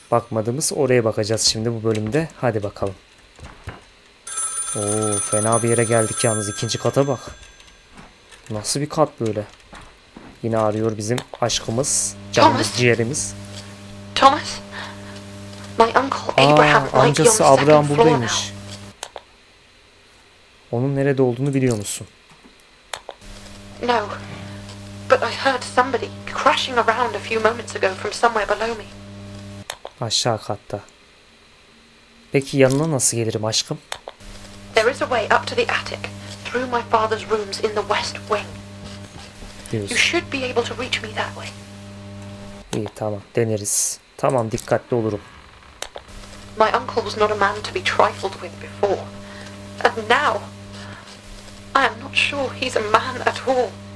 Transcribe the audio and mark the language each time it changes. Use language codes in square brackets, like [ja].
[tr] Bakmadığımız oraya bakacağız şimdi bu bölümde. Hadi bakalım. Oo, fena bir yere geldik yalnız. İkinci kata bak. Nasıl bir kat böyle? Yine arıyor bizim aşkımız. Canımız, ciğerimiz. [en] Thomas. My uncle Abraham. [tr] Amcası Abraham buradaymış. Onun nerede olduğunu biliyor musun? [en] No. But I heard somebody crashing around a few moments ago from somewhere below me. [tr] Aşağı katta. Peki yanına nasıl gelirim aşkım? [en] There is a way up to the attic through my father's rooms in the west wing. [tr] Diyorsun. [en] You should be able to reach me that way. [tr] İyi tamam deneriz. Tamam dikkatli olurum. [en] My uncle was not a man to be trifled with before. And now I am not sure he's a man at all.